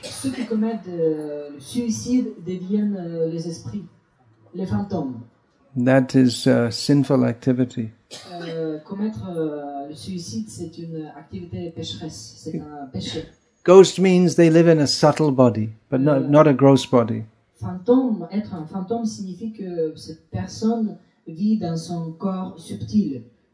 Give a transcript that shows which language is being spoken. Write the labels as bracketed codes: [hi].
[fr] Ceux qui commettent le suicide deviennent les esprits, les fantômes. [en] That is a sinful activity. [fr] Commettre le suicide, c'est une activité pécheresse, c'est un péché. [en] Ghost means they live in a subtle body, but not a gross body. [fr] Fantôme, être un fantôme signifie que cette personne vit dans son corps subtil.